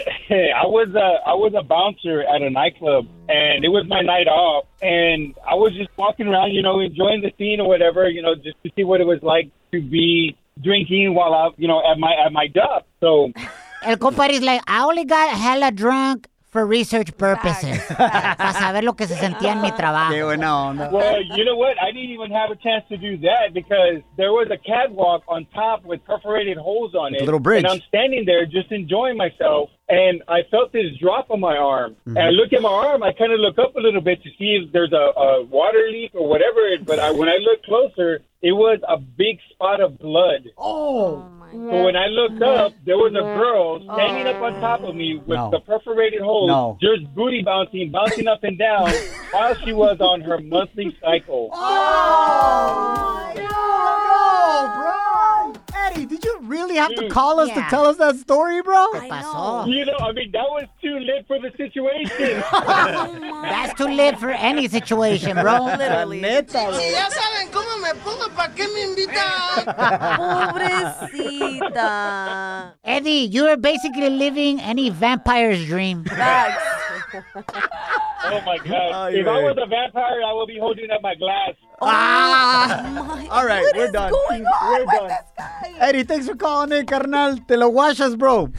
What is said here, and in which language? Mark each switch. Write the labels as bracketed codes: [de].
[en] I was a bouncer at a nightclub, and it was my night off, and I was just walking around, you know, enjoying the scene or whatever, you know, just to see what it was like to be drinking while I, you know, at my dub. So [es] el compadre's [en] like, I only got hella drunk for research purposes. [es] Para saber lo que se sentía en mi trabajo. [en] Yeah, no. Well, you know what? I didn't even have a chance to do that because there was a catwalk on top with perforated holes on it. A little bridge. And I'm standing there just enjoying myself. And I felt this drop on my arm. Mm-hmm. And I look at my arm. I kind of look up a little bit to see if there's a water leak or whatever. But when I look closer, it was a big spot of blood. Oh, but when I looked up, there was a girl standing up on top of me with the perforated hole, just booty bouncing up and down while she was on her monthly cycle. Oh, no, bro. Eddie, did you really have to call us to tell us that story, bro? I know. You know, I mean, that was too lit for the situation. That's too lit for any situation, bro. Literally. [es] Y ya saben cómo me pongo, pa' qué me invita. Pobrecita. [en] Eddie, you are basically living any vampire's dream. Facts. Oh, my God. Oh, if I was a vampire, I would be holding up my glass. Ah! All right, we're done. What is going on with this guy? Eddie, thanks for calling in, carnal. [es] Te lo washas, [en] bro.